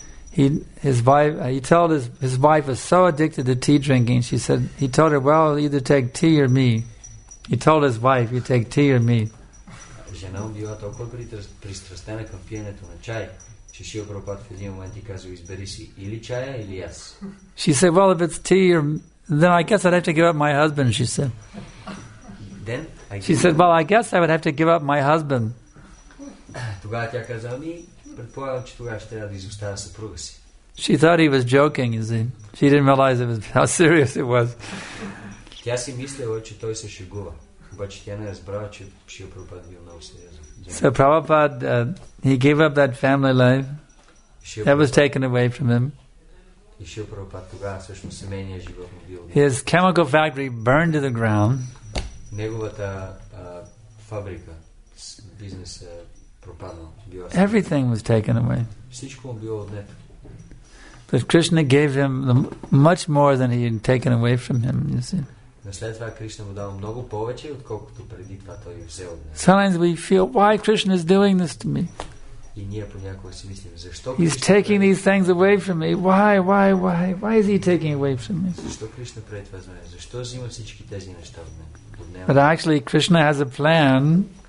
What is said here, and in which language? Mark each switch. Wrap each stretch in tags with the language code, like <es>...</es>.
<en>His wife was so addicted to tea drinking, she said, he told her, well, either take tea or me. He told his wife, you take tea or me.</en> <bg>Жена му била толкова пристрастена към пиенето на чай, че Шрила Прабхупада в един момент и казва, избери си или чая, или аз.</bg> <en>She said, well, if it's tea, then I guess I'd have to give up my husband, she said. Then she said, well, I guess I would have to give up my husband.</en> <bg>Тогава тя каза, ами, предполагам, че тогава ще трябва да изоставя съпруга си.</bg> <en>She thought he was joking, you see. She didn't realize it was how serious it was.</en> <bg>Тя си мислила, че той се шегува. Обаче тя не разбрава, че Шрила Прабхупада бил много сериозен.</bg> <en>So Prabhupada, he gave up that family life. That was taken away from him.</en> <bg>И Шрила Прабхупада тогава всъщност семейния живот му бил.</bg> <en>His chemical factory burned to the ground.</en> <bg>Неговата фабрика, бизнес пропаднал.</bg> <en>Everything was taken away.</en> <bg>Всичко му било отнето.</bg> <en>But Krishna gave him much more than he had taken away from him, you see.</en> <bg>След това Кришна му дава много повече, отколкото преди това той взел от него.</bg> <en>Sometimes we feel, why Krishna is doing this to me?</en> <bg>И ние понякога си мислим, защо Кришна...</bg> <en>He's taking these things away from me. Why? Why is he taking away from me?</en> <bg>Защо Кришна прави това за мен? Защо взима всички тези неща от мен?</bg> <en>But actually, Krishna has a plan.</en>